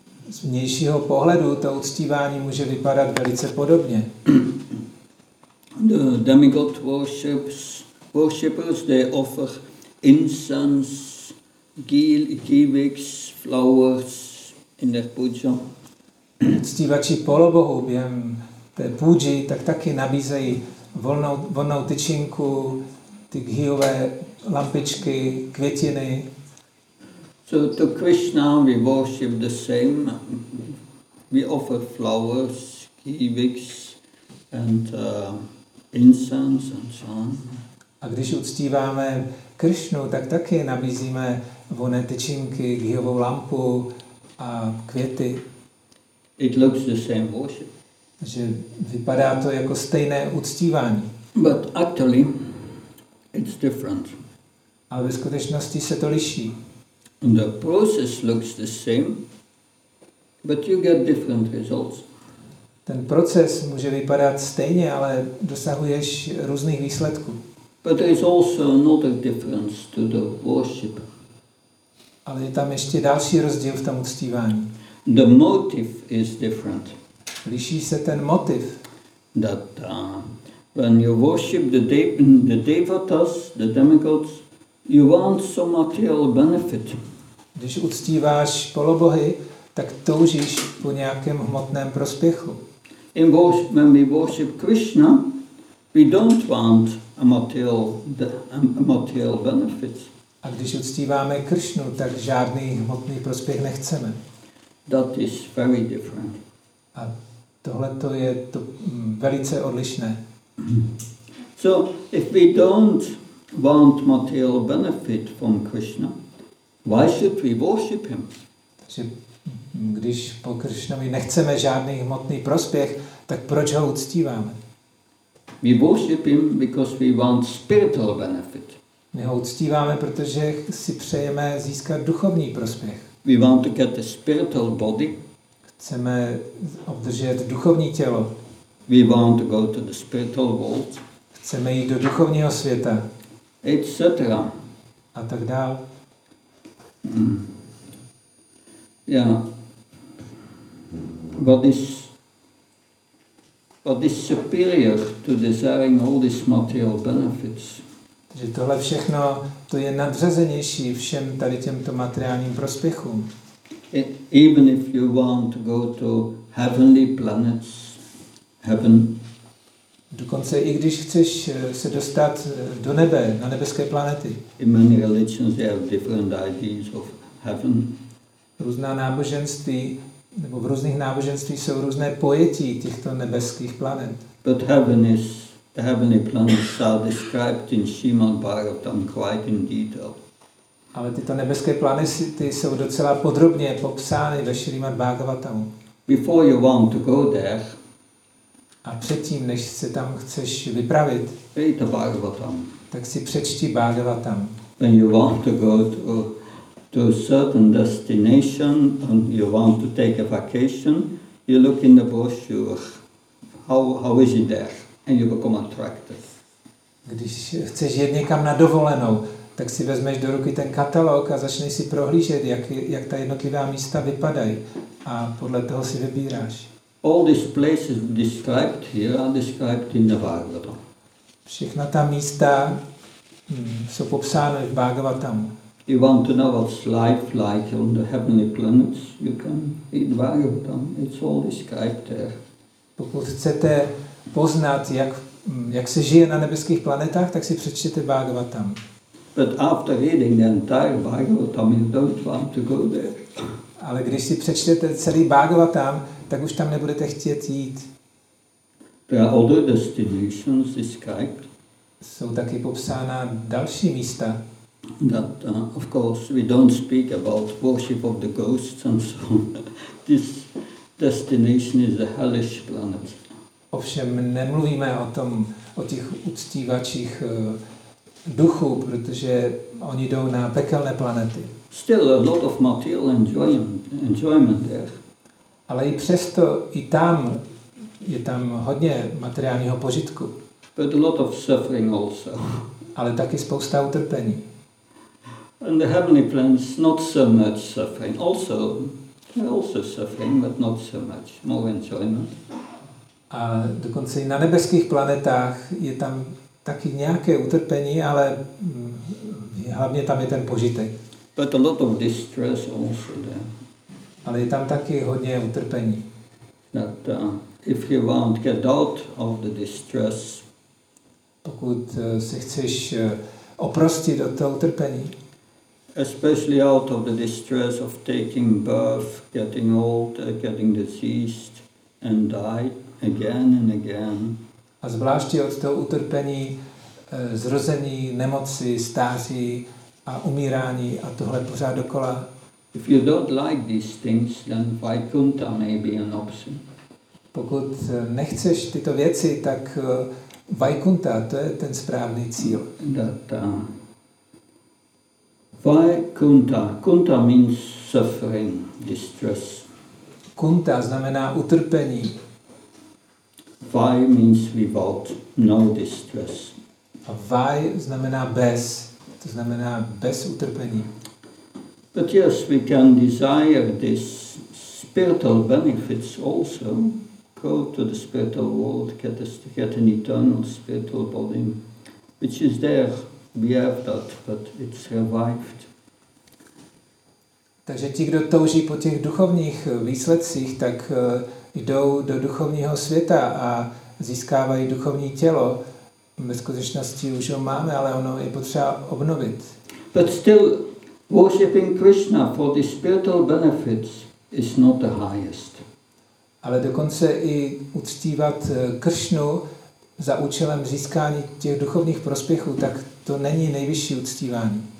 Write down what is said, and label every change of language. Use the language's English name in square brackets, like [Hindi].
[Czech] Z vnějšího pohledu to uctívání může vypadat velice podobně. [English] The demigod worshippers, they offer incense, kivics, flowers in their puja. [Czech] Uctívači polobohu během té puji tak taky nabízejí volnou tyčinku, ty ghiové lampičky, květiny. [English] So to Krishna we worship the same. We offer flowers, kivics and incense and so on. [Czech] A když uctíváme Krishnu, tak taky nabízíme voné tyčinky, ghiovou lampu a květy. [English] It looks the same worship. [Czech] Že vypadá to jako stejné uctívání. [English] But actually, it's different. [Czech] Ale ve skutečnosti se to liší. [English] The process looks the same, but you get different results. [Czech] Ten proces může vypadat stejně, ale dosahuješ různých výsledků. [English] But there is also another difference to the worship. [Czech] Ale je tam ještě další rozdíl v tom uctívání. [English] The motive is different. [Czech] Liší se ten motiv. [English] That when you worship the devatas, the demigods, you want some material benefit. [Czech] Když uctíváš polobohy, tak toužíš po nějakém hmotném prospěchu. [English] In worship, when we worship Krishna, we don't want material benefit. [Czech] A když uctíváme Kršnu, tak žádný hmotný prospěch nechceme. [English] That is very different. [Czech] A tohle to je to velice odlišné. [English] So if we don't want material benefit from Krishna, why should we worship him? [Czech] Takže když po Kršnovi nechceme žádný hmotný prospěch, tak proč ho uctíváme? [English] We worship him because we want spiritual benefit. [Czech] My ho uctíváme, protože si přejeme získat duchovní prospěch. [English] We want to get a spiritual body. [Czech] Chceme obdržet duchovní tělo. [English] We want to go to the spiritual world. [Czech] Chceme jít do duchovního světa. [English] Etc. [Czech] A tak dál. [English] Yeah. What is superior to desiring all these material benefits? [Czech] Takže tohle všechno, to je nadřazenější všem tady těmto materiálním prospěchům. [English] Even if you want to go to heavenly planets, heaven. [Czech] Dokonce i když chceš se dostat do nebe, na nebeské planety. [English] In many religions they have different ideas of heaven. [Czech] Různá náboženství, nebo v různých náboženství jsou různé pojetí těchto nebeských planet. [English] But heaven is the heavenly planets are described in Srimad Bhagavatam quite in detail. [Czech] Ale tyto nebeské planety jsou docela podrobně popsány ve Srimad Bhagavatam. [English] Before you want to go there, [Czech] a předtím, než se tam chceš vypravit, [English] read the Bhagavatam. [Czech] Tak si přečti Bhagavatam. [English] When you want to go to a certain destination and you want to take a vacation, you look in the brochure. How is it there? And you become attracted. [Czech] Když chceš jít někam na dovolenou, tak si vezmeš do ruky ten katalog a začneš si prohlížet, jak ta jednotlivá místa vypadají, a podle toho si vybíráš. [English] All these places described here are described in the Bhagavatam. [Czech] Všechna ta místa jsou popsány v Bhagavatamu. [English] You want to know what's life like on the heavenly planets? You can read Bhagavatam. It's all described there. [Czech] Pokud chcete poznat, jak se žije na nebeských planetách, tak si přečtěte Bhagavatam. [English] But after reading the entire Bhagavatam, you don't want to go there. [Czech] Ale když si přečtete celý Bhagavatam, tak už tam nebudete chtět jít. [English] There are other destinations described. [Czech] Jsou taky popsána další místa. [English] That, of course, we don't speak about worship of the ghosts and so on. This destination is a hellish planet. [Czech] Ovšem nemluvíme o tom, o těch uctívačích duchů, protože oni jdou na pekelné planety. [English] Still a lot of material enjoyment there. [Czech] Ale i přesto i tam je tam hodně materiálního požitku. [English] But a lot of suffering also. [Czech] Ale taky spousta utrpení. [English] And the heavenly planets not so much suffering. Also, they're also suffering, but not so much. More enjoyment. [Czech] A dokonce i na nebeských planetách je tam taky nějaké utrpení, ale hlavně tam je ten požitek. [English] But a lot of distress also there. [Czech] Ale je tam taky hodně utrpení. [English] That, if you want to get out of the distress, [Czech] pokud se chceš oprostit od toho utrpení, [English] especially out of the distress of taking birth, getting old, getting diseased and die. Again and again. [Czech] A zvláště od toho utrpení, zrození, nemoci, stáří a umírání a tohle pořád dokola. [English] If you don't like these things, then Vaikuntha may be an option. [Czech] Pokud nechceš tyto věci, tak Vaikuntha, to je ten správný cíl. [English] That, Vaikuntha. Kunta means suffering, distress. [Czech] Kunta znamená utrpení. [English] Vai means without, no distress. [Czech] A vai znamená bez, to znamená bez utrpení. [English] But yes, we can desire these spiritual benefits also. go to the spiritual world, get an eternal spiritual body, which is there. We have that, but it's revived. [Czech] Takže ti, kdo touží po těch duchovních výsledcích, tak jdou do duchovního světa a získávají duchovní tělo. Ve skutečnosti už ho máme, ale ono je potřeba obnovit. [English] But still, worshiping Krishna for the spiritual benefits is not the highest. [Czech] Ale dokonce i uctívat Kršnu za účelem získání těch duchovních prospěchů, tak to není nejvyšší uctívání.